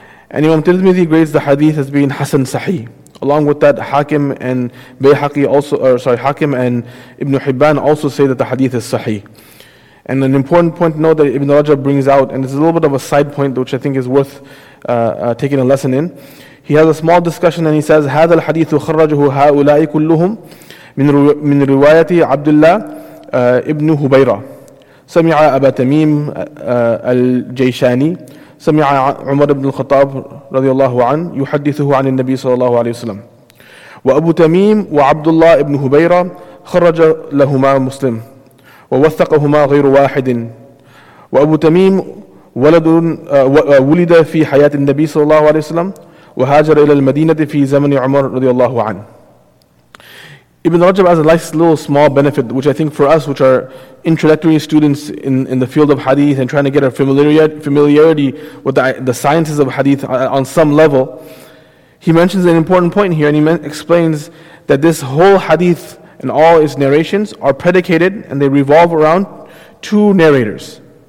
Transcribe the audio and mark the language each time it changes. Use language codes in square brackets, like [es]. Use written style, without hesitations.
[en] And Imam Tirmidhi grades the hadith as being Hasan Sahih. Along with that, Hakim and Bayhaqi also, Hakim and Ibn Hibban also say that the hadith is Sahih. And an important point to note that Ibn Rajab brings out, and it's a little bit of a side point which I think is worth taking a lesson in. He has a small discussion and he says, [ar] هذا الحديث خرجه هؤلاء كلهم من رواية عبد الله ابن هبيرة سمع أبا تميم الجيشاني سمع عمر بن الخطاب رضي الله عنه يحدثه عن النبي صلى الله عليه وسلم وأبو تميم وعبد الله ابن هبيرة خرج لهما مسلم ووثقهما غير واحد وأبو تميم ولد ولد في حياة النبي صلى الله عليه وسلم وهاجر إلى المدينة في زمن عمر رضي الله عنه. [en] Ibn Rajab has a nice little small benefit, which I think for us, which are introductory students in the field of hadith and trying to get a familiarity with the sciences of hadith on some level, he mentions an important point here, and he explains that this whole hadith and all its narrations are predicated and they revolve around two narrators.